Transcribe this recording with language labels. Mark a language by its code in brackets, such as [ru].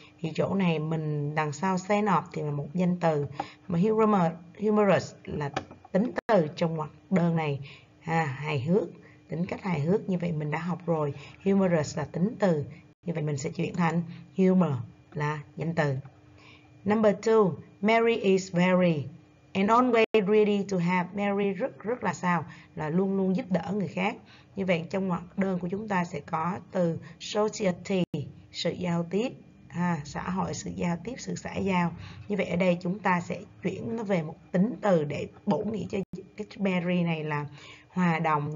[vi] Thì chỗ này mình đằng sau stand up thì là một danh từ, mà humorous là tính từ trong hoặc đơn này, hài hước, tính cách hài hước. Như vậy mình đã học rồi, humorous là tính từ. Như vậy mình sẽ chuyển thành humor là danh từ. [en] Number 2, Mary is very and always ready to help. [vi] Mary rất rất là sao? Là luôn luôn giúp đỡ người khác. Như vậy trong hoặc đơn của chúng ta sẽ có từ society, sự giao tiếp, xã hội, sự giao tiếp, sự xã giao. Như vậy ở đây chúng ta sẽ chuyển nó về một tính từ để bổ nghĩa cho cái Mary này là hòa đồng.